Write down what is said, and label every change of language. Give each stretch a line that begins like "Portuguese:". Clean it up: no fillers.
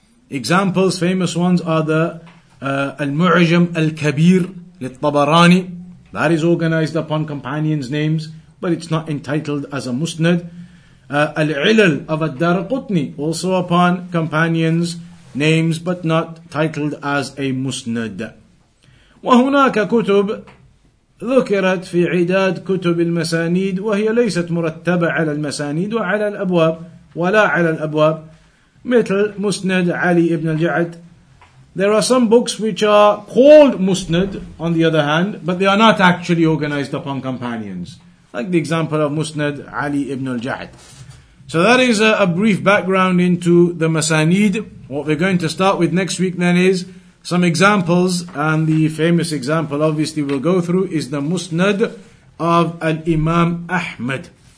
English: Examples, famous ones are the Al-Mu'jam Al-Kabir Littabarani. That is organized upon companions' names, but it's not entitled as a Musnad. Al-Ilal of Ad-Darqutni, also upon companions' names, but not titled as a Musnad.
Arabic: وهناك كتب ذكرت في عداد كتب المسانيد وهي ليست مرتبة على المسانيد وعلى الأبواب ولا على الأبواب مثل مسند علي ابن الجعد.
English: There are some books which are called Musnad, on the other hand, but they are not actually organized upon companions. Like the example of Musnad Ali ibn al-Ja'd. So that is a brief background into the Masanid. What we're going to start with next week then is some examples, and the famous example obviously we'll go through is the Musnad of Al-Imam Ahmad.